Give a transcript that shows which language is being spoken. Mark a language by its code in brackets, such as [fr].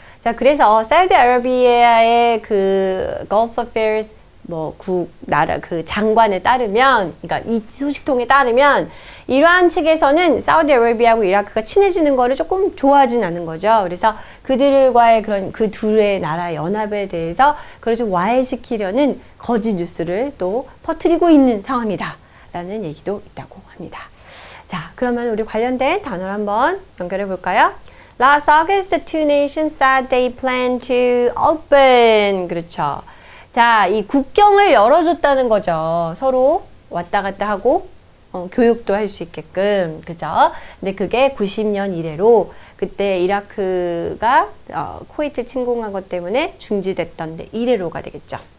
[ko] 자, 그래서 사우디아라비아의 그 Gulf Affairs 뭐 나라 그 장관에 따르면, 그러니까 이 소식통에 따르면 이란 측에서는 사우디아라비아하고 이라크가 친해지는 거를 조금 좋아하진 않은 거죠. 그래서 그들과의 그런 그 둘의 나라 연합에 대해서 그걸 좀 와해시키려는 거짓 뉴스를 또 퍼뜨리고 있는 상황이다라는 얘기도 있다고 합니다. 자, 그러면 우리 관련된 단어를 한번 연결해 볼까요? [en] Last August, the two nations said they plan to open. [ko] 그렇죠. 자, 이 국경을 열어줬다는 거죠. 서로 왔다 갔다 하고 교육도 할 수 있게끔, 그죠? 근데 그게 90년 이래로 그때 이라크가 쿠웨이트 침공한 것 때문에 중지됐던 이래로가 되겠죠.